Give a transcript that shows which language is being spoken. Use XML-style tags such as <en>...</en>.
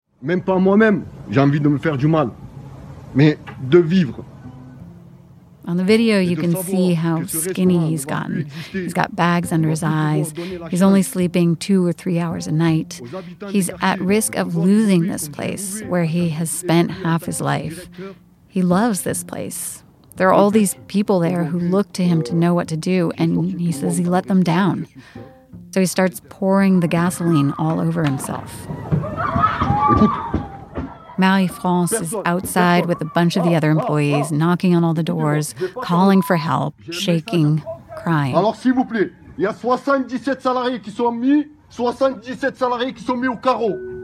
<fr>Même pas moi-même, j'ai envie de me faire du mal. Mais de vivre.</fr> <en>On the video, you can see how skinny he's gotten. He's got bags under his eyes. He's only sleeping 2 or 3 hours a night. He's at risk of losing this place where he has spent half his life. He loves this place. There are all these people there who look to him to know what to do, and he says he let them down. So he starts pouring the gasoline all over himself. Marie-France is outside with a bunch of the other employees, knocking on all the doors, calling for help, shaking, crying.</en> <fr>Alors s'il vous plaît, il y a 77 salariés qui sont mis, 77 salariés qui sont mis au carreau.</fr>